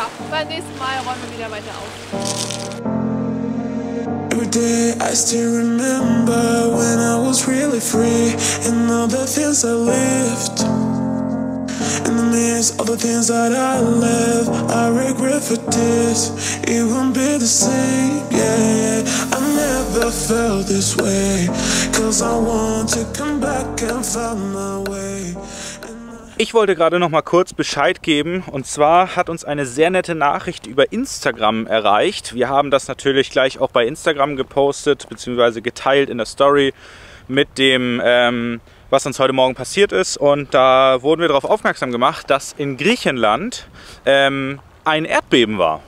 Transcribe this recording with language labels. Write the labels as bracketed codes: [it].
[de] Beim nächsten Mal räumen wir wieder weiter auf. [en] Every day I still remember when I was really free and all the things I lived. In the midst of the things that I left, I regret for this. It won't be the same, yeah. I never felt this way, 'cause I want to come back and find my way. [de] Ich wollte gerade noch mal kurz Bescheid geben, und zwar hat uns eine sehr nette Nachricht über Instagram erreicht. Wir haben das natürlich gleich auch bei Instagram gepostet bzw. geteilt in der Story mit dem, was uns heute Morgen passiert ist. Und da wurden wir darauf aufmerksam gemacht, dass in Griechenland ein Erdbeben war.